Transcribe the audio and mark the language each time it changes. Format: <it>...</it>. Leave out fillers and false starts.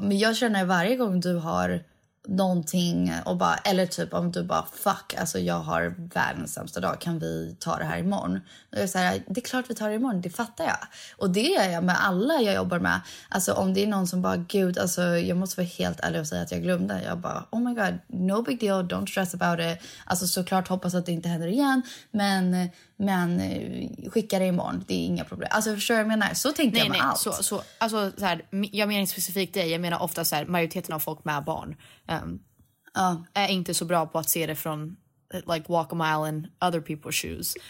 <sv>Men jag känner varje gång du har någonting och bara, eller typ om du bara, fuck, alltså jag har världens sämsta dag, kan vi ta det här imorgon? Då är jag såhär, det är klart vi tar det imorgon, det fattar jag. Och det gör jag med alla jag jobbar med. Alltså om det är någon som bara, gud, alltså jag måste vara helt ärlig och säga att jag glömde. Jag bara,</sv> <en>oh my god, no big deal, don't stress about it.</en> <sv>Alltså såklart hoppas att det inte händer igen, men skicka det imorgon, det är inga problem. Alltså förstår jag menar, så tänkte jag med allt. Så, alltså så här, jag menar inte specifikt dig, jag menar ofta så här, majoriteten av folk med barn är inte så bra på att se det från</sv> <en>like walk a mile in other people's shoes.</en>